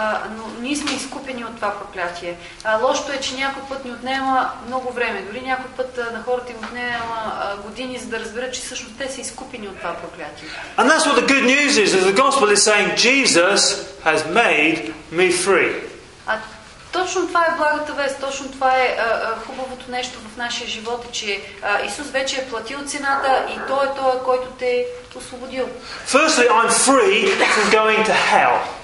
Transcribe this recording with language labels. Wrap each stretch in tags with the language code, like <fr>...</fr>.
<bg>Но ние сме изкупени от това проклятие. Лошото е, че някой път ни отнема много време. Дори някой път на хората им отнема години, за да разберат, че всъщност те са изкупени от това проклятие.</bg> <en>And that's what the good news is, that the gospel is saying, Jesus has made me free.</en> <bg>Точно това е благата вест, точно това е хубавото нещо в нашия живот, че Исус вече е платил цената и Той е Той, който те е освободил.</bg> <en>Firstly, I'm free from going to hell.</en>